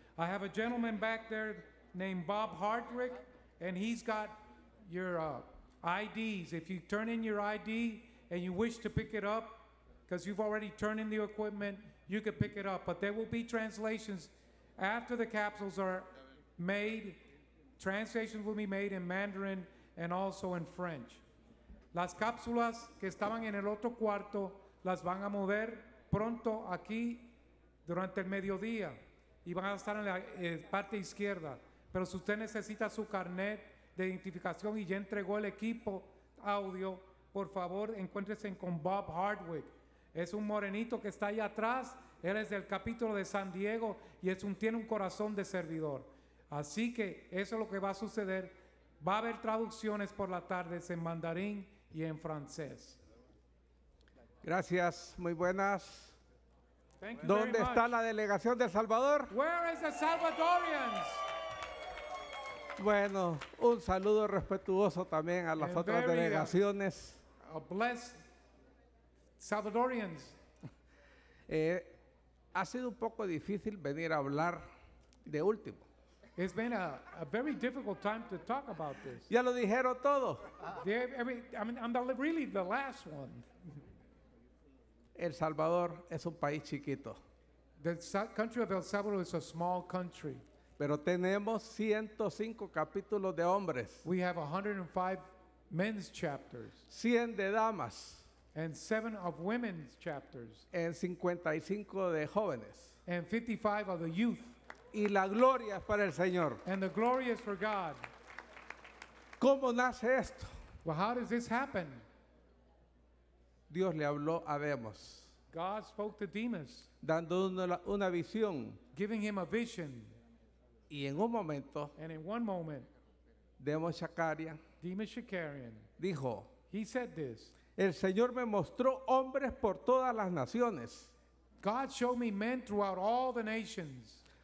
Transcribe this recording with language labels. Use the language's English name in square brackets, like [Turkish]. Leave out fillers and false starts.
[English] I have a gentleman back there named Bob Hardwick, and he's got your IDs. If you turn in your ID and you wish to pick it up, because you've already turned in the equipment, you can pick it up. But there will be translations after the capsules are made. Translations will be made in Mandarin and also in French. [Spanish] Las cápsulas que estaban en el otro cuarto las van a mover pronto aquí durante el mediodía y van a estar en la parte izquierda. Pero si usted necesita su carnet de identificación y ya entregó el equipo audio, por favor, encuéntrese con Bob Hardwick. Es un morenito que está ahí atrás. Él es del capítulo de San Diego y tiene un corazón de servidor. Así que eso es lo que va a suceder. Va a haber traducciones por la tarde en mandarín y en francés. Gracias, muy buenas. [English] Thank you. [Spanish] ¿Dónde está much la delegación del Salvador? [English] Where is the Salvadorians? [Spanish] Bueno, un saludo respetuoso también a las [English] and [Spanish] otras delegaciones. [English] A blessed Salvadorians. [Spanish] Ha sido un poco difícil venir a hablar de último. [English] It's been a very difficult time to talk about this. [Spanish] Ya lo dijeron todo. [English] I'm really the last one. [Spanish] El Salvador es un país chiquito. [English] The country of El Salvador is a small country. [Spanish] Pero tenemos 105 capítulos de hombres. [English] We have 105 men's chapters. [Spanish] 100 de damas. [English] And 7 of women's chapters. [Spanish] En 55 de jóvenes. [English] And 55 of the youth. [Spanish] Y la gloria es para el Señor. [English] And the glory is for God. [Spanish] ¿Cómo nace esto? [English] Well, how does this happen? [Spanish] Dios le habló a Demas. [English] God spoke to Demas. [Spanish] Dando una visión. [English] Giving him a vision. [Spanish] Y en un momento. [English] And in one moment. [Spanish] Demas [English] Shakarian. [Spanish] Dijo. [English] He said this. [Spanish] El Señor me mostró hombres por todas las naciones. [English] God showed me men throughout all the nations.